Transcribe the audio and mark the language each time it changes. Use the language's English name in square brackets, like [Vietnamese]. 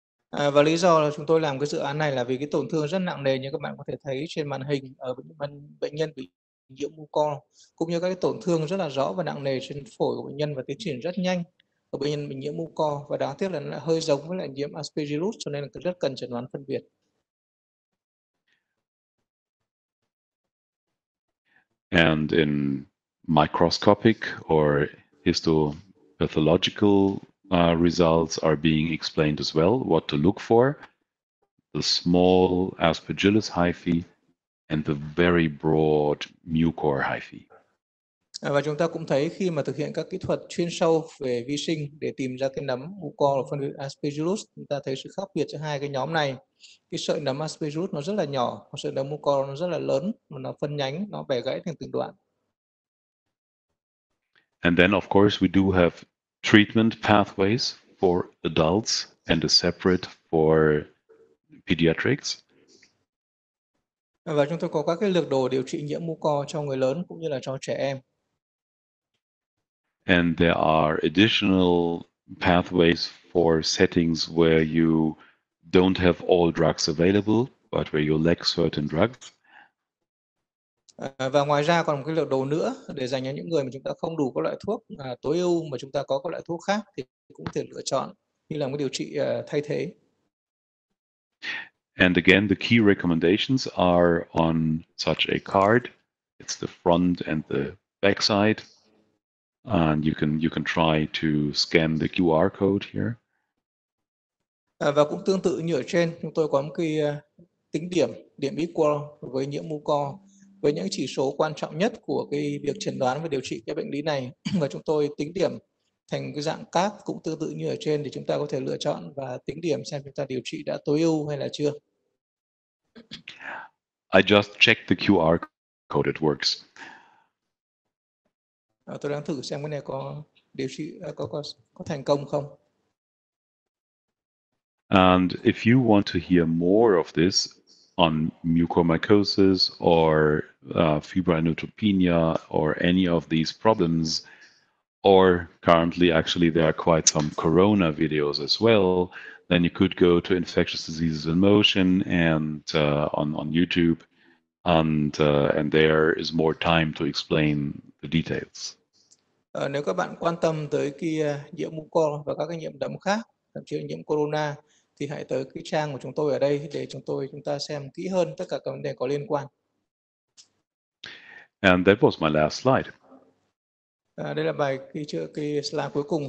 [Vietnamese] Và lý do là chúng tôi làm cái dự án này là vì cái tổn thương rất nặng nề như các bạn có thể thấy trên màn hình ở bệnh nhân bị nhiễm mucor, cũng như các cái tổn thương rất là rõ và nặng nề trên phổi của bệnh nhân và tiến triển rất nhanh ở bệnh nhân bị nhiễm mucor, và đáng tiếc là nó lại hơi giống với lại nhiễm Aspergillus, cho nên là rất cần chẩn đoán phân biệt. [English] And in microscopic or histopathological results are being explained as well, what to look for, the small Aspergillus hyphae and the very broad mucor hyphae. [Vietnamese] Và chúng ta cũng thấy khi mà thực hiện các kỹ thuật chuyên sâu về vi sinh để tìm ra cái nấm mucor phân biệt Aspergillus, chúng ta thấy sự khác biệt giữa hai cái nhóm này. Cái sợi nấm Aspergillus nó rất là nhỏ, còn sợi nấm mucor nó rất là lớn, mà nó phân nhánh, nó bẻ gãy thành từng đoạn. [English] And then of course we do have treatment pathways for adults and a separate for pediatrics. [Vietnamese] Và chúng tôi có các cái lược đồ điều trị nhiễm mucor cho người lớn cũng như là cho trẻ em. [English] And there are additional pathways for settings where you don't have all drugs available, but where you lack certain drugs. [Vietnamese] Và ngoài ra còn một cái lược đồ nữa để dành cho những người mà chúng ta không đủ các loại thuốc tối ưu, mà chúng ta có các loại thuốc khác thì cũng thể lựa chọn như là một điều trị thay thế. [English] And again, the key recommendations are on such a card. It's the front and the back side. And you can try to scan the QR code here. [Vietnamese] Và cũng tương tự như ở trên, chúng tôi có một cái tính điểm, điểm equal với nhiễm mucor, với những chỉ số quan trọng nhất của cái việc chẩn đoán và điều trị cái bệnh lý này. Và chúng tôi tính điểm thành cái dạng các cũng tương tự như ở trên để chúng ta có thể lựa chọn và tính điểm xem chúng ta điều trị đã tối ưu hay là chưa. [English] I just checked the QR code, it works. [Vietnamese] Tôi đang thử xem cái này có điều trị có thành công không. [English] And if you want to hear more of this on mucormycosis or febrile neutropenia or any of these problems, or currently actually there are quite some corona videos as well, then you could go to Infectious Diseases in Motion and on YouTube, and there is more time to explain the details. [Vietnamese] Nếu các bạn quan tâm tới cái nhiễm mucor và các cái nhiễm đậm khác, thậm chí nhiễm corona, thì hãy tới cái trang của chúng tôi ở đây để chúng ta xem kỹ hơn tất cả các vấn đề có liên quan. [English] And that was my last slide. [Vietnamese] Đây là bài cái slide cuối cùng.